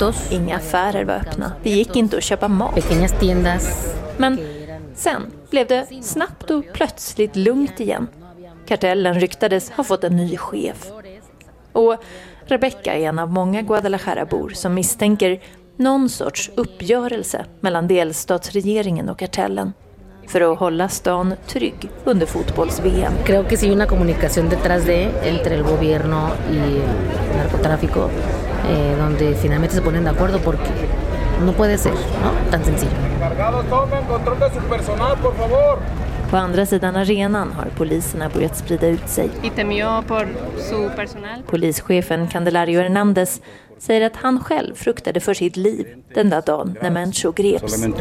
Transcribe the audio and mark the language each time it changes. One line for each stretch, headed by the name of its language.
Swedish: Inga affärer var öppna. Det gick inte att köpa mat. Men sen blev det snabbt och plötsligt lugnt igen. Kartellen ryktades ha fått en ny chef. Och Rebecca är en av många Guadalajara-bor som misstänker någon sorts uppgörelse mellan delstatsregeringen och kartellen för att hålla stan trygg under fotbolls-VM.
Spanish: Creo que sí una comunicación detrás de entre el gobierno y el narcotráfico donde finalmente se ponen de acuerdo porque no puede ser, ¿no? Tan sencillo. Cargados tomen control de su personal, por favor.
Swedish: På andra sidan arenan har poliserna börjat sprida ut sig.
Spanish: Y temió por su personal.
Swedish: Polischefen Candelario Hernández säger att han själv fruktade för sitt liv den där dagen när Mencho greps.